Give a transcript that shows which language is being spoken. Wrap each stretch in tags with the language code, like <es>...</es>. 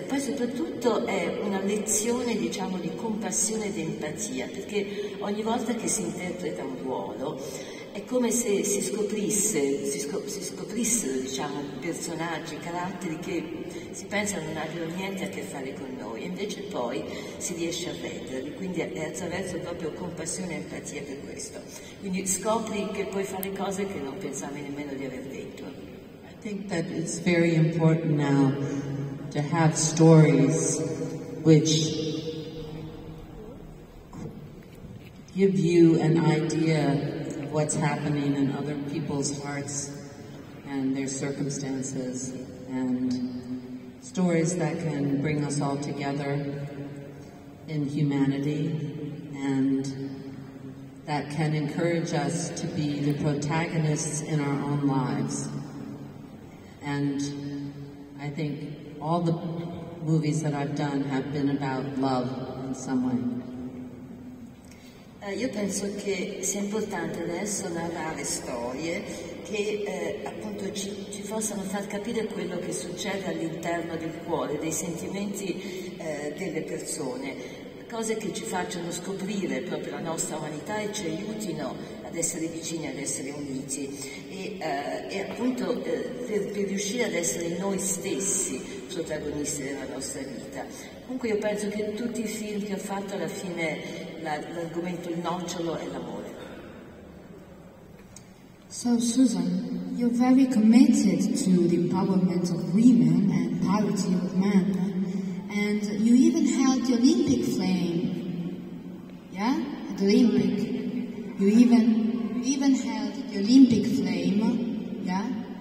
<it>Poi soprattutto è una lezione, diciamo, di compassione ed empatia, perché ogni volta che si interpreta un ruolo è come se si scoprissero, diciamo, personaggi, caratteri che si pensa non abbiano niente a che fare con noi, invece poi si riesce a vederli, quindi è attraverso proprio compassione e empatia per questo. Quindi scopri che puoi fare cose che non pensavi nemmeno di aver detto.</it> <en>I think that it's very important now to have stories which give you an idea what's happening in other people's hearts and their circumstances, and stories that can bring us all together in humanity, and that can encourage us to be the protagonists in our own lives. And I think all the movies that I've done have been about love in some way.</en> <it>Io penso che sia importante adesso narrare storie che appunto ci possano far capire quello che succede all'interno del cuore, dei sentimenti delle persone, cose che ci facciano scoprire proprio la nostra umanità e ci aiutino ad essere vicini, ad essere uniti e appunto per riuscire ad essere noi stessi protagonisti della nostra vita. Comunque io penso che tutti i film che ho fatto alla fine l'argomento, il nocciolo è l'amore.</it> <en>So Susan, you're very committed to the empowerment of women and parity of men, and you even held the Olympic flame, yeah? The Olympic. You even held the Olympic flame, yeah?</en>